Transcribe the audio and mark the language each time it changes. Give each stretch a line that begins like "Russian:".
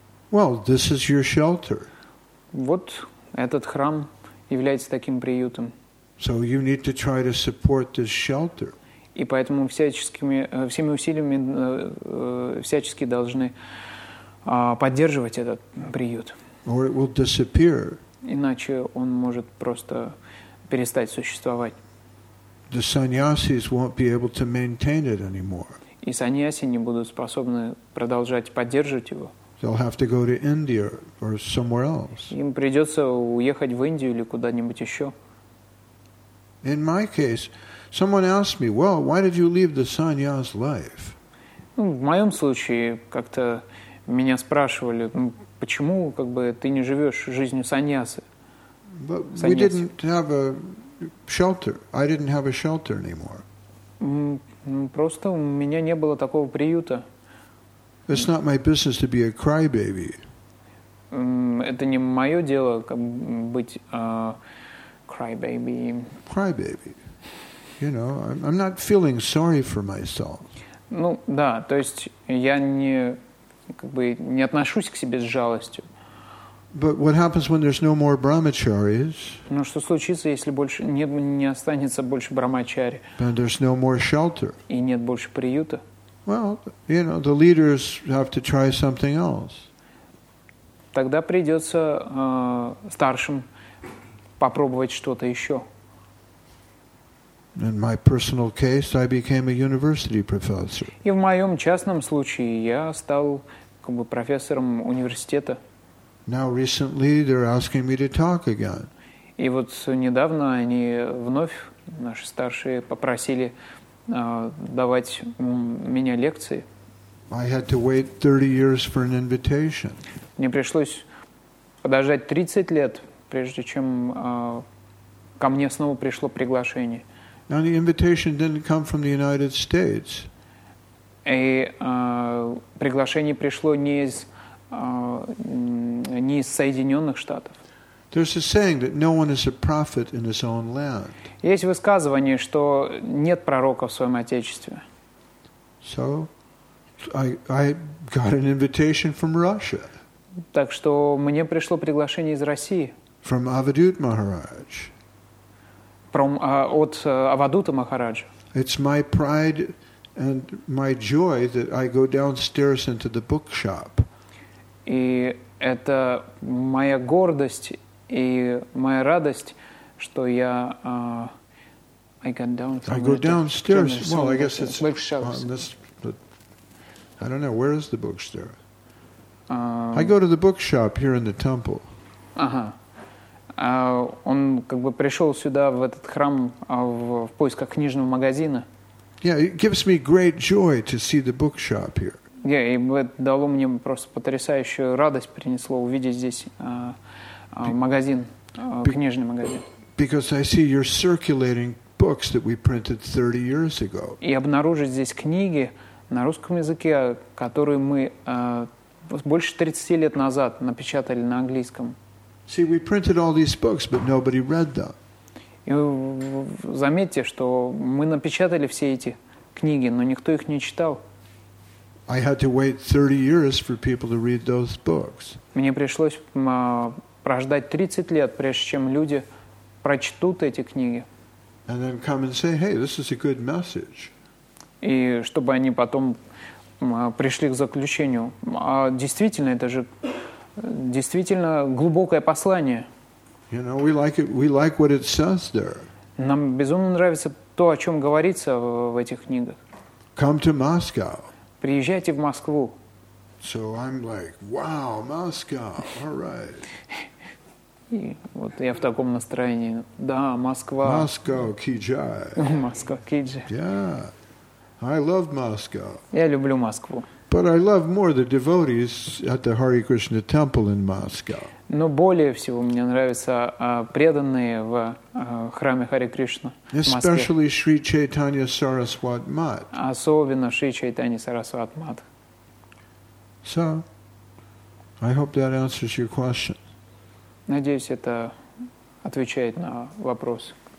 English: Well, this is your shelter.
Russian: Вот этот храм является таким приютом.
English: So you need to try to support this shelter.
Russian: И поэтому всеми усилиями всячески должны поддерживать этот приют.
English: Or it will disappear.
Russian: Иначе он может просто перестать существовать.
English: The sannyasis won't be able to maintain it anymore.
Russian: И саньяси не будут способны продолжать поддерживать его.
English: They'll have to go to India or somewhere else.
Russian: Им придется уехать в Индию или куда-нибудь еще.
English: In my case, someone asked me, "Well, why did you leave the sannyas life?"
Russian: Ну, в моем случае как-то меня спрашивали, почему как бы ты не живешь жизнью саньясы.
English: But we didn't have a shelter. I didn't have a shelter anymore.
Russian: Просто у меня не было такого приюта.
English: It's not my business to be a crybaby.
Russian: Это не мое дело как быть crybaby.
English: Crybaby. You know, I'm not feeling sorry for myself.
Russian: Ну да, то есть я не как бы не отношусь к себе с жалостью.
English: But what happens when there's no more brahmacharis?
Russian: Но что случится, если больше не останется больше брахмачари?
English: Then there's no more shelter.
Russian: И нет больше приюта.
English: Well, you know, the leaders have to try something else.
Russian: Тогда придется старшим попробовать что-то еще.
English: In my personal case, I became a university professor.
Russian: И в моем частном случае я стал как бы профессором университета.
English: Now recently they're asking me to talk again.
Russian: И вот недавно они вновь наши старшие попросили давать меня лекции.
English: I had to wait 30 years for an invitation.
Russian: Мне пришлось подождать 30 лет, прежде чем ко мне снова пришло приглашение.
English: Now the invitation didn't come from the United States.
Russian: И приглашение пришло не из не из Соединенных Штатов.
English: There's a saying that no one is a prophet in his own land.
Russian: Есть высказывание, что нет пророка в своем отечестве.
English: So, I got an invitation from Russia.
Russian: Так что мне пришло приглашение из России.
English: From Avadhut Maharaj.
Russian: От Авадута Махараджа.
English: It's my pride and my joy that I go downstairs into the bookshop.
Russian: И это моя гордость и моя радость, что я
English: I got down I go downstairs. Well, I guess it's on this, but I don't know, where is the bookstore? I go to the bookshop here in the temple.
Russian: Ага. Он как бы пришел сюда, в этот храм, в поисках книжного магазина.
English: Yeah, it gives me great joy to see the bookshop here.
Russian: Yeah, и это дало мне просто потрясающую радость, принесло увидеть здесь магазин, книжный магазин.
English: Because I see you're circulating books that we printed 30 years ago.
Russian: И обнаружить здесь книги на русском языке, которые мы больше 30 лет назад напечатали на английском.
English: See, we printed all these books, but nobody read them.
Russian: И заметьте, что мы напечатали все эти книги, но никто их не читал.
English: I had to wait 30 years for people to read those books.
Russian: Мне пришлось прождать 30 лет, прежде чем люди прочтут эти книги.
English: And then come and say, hey, this is a good message.
Russian: И чтобы они потом пришли к заключению. А действительно, это же действительно глубокое послание.
English: You know, we like it, we like what it says there.
Russian: Нам безумно нравится то, о чем говорится в этих книгах.
English: Come to Moscow.
Russian: Приезжайте в Москву.
English: So I'm like, wow, Moscow, all right.
Russian: И вот я в таком настроении. Да, Москва.
English: Moscow, Kijai.
Russian: Москва, Kijai.
English: Yeah, I love Moscow.
Russian: Я люблю Москву.
English: But I love more the devotees at the Hare Krishna temple in Moscow.
Russian: Но более всего мне нравятся преданные в храме Харе Кришна в Москве.
English: Especially Sri Chaitanya Sarasvat Mat.
Russian: Особенно Шри Чайтанья Сарасват Мат.
English: So, I hope that answers your question.
Russian: Надеюсь, это отвечает на вопрос.